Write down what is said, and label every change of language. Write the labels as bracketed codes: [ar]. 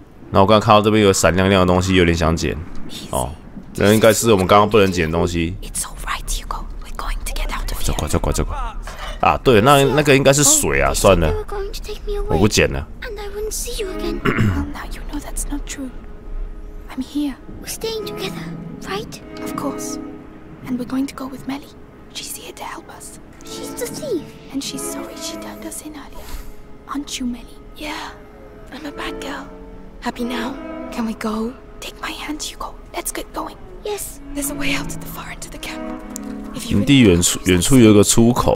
[zh] 那我刚刚看到这边有闪亮亮的东西，有点想捡。 [en] Easy. [zh] 哦，那应该是我们刚刚不能捡的东西。 [en] It's alright, Hugo. We're going to get out of here. [zh] 走快，走快，走快！啊，对，那个应该是水啊， oh, 算了，我不捡了。 [en] And I won't see you again. Well, now you know that's not true. I'm here. We're staying together, right? Of course. And we're going to go with Melly. She's here to help us. She's the thief, and she's sorry she turned us in earlier. Aren't you, Melly? Yeah, I'm a bad girl. Happy now? Can we go? Take my hand, Hugo. Let's get going. Yes. There's a way out at the far end of the camp. If you [zh] 地远处远处有一个出口。